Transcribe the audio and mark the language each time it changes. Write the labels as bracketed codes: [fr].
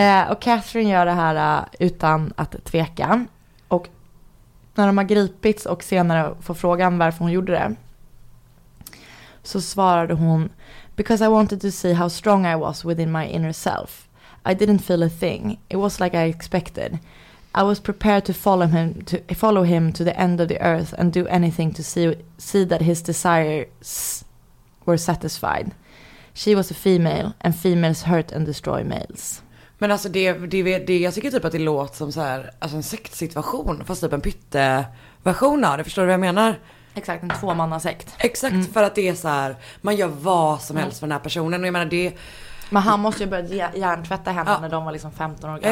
[sv] och Catherine gör det här utan att tveka. Och när de har gripits och senare får frågan varför hon gjorde det så svarade hon: [en] "Because I wanted to see how strong I was within my inner self. I didn't feel a thing. It was like I expected. I was prepared to follow him to the end of the earth and do anything to see that his desires were satisfied. She was a female and females hurt and destroy males." [sv] Men alltså det jag tycker typ att det låter som så här, alltså en sektsituation fast typ en pytte version av det, förstår du vad jag menar? Exakt, en tvåmannasekt. Exakt, mm. För att det är så här, man gör vad som helst för den här personen och jag menar det. Men han måste ju börja hjärntvätta henne när de var liksom 15 år gamla.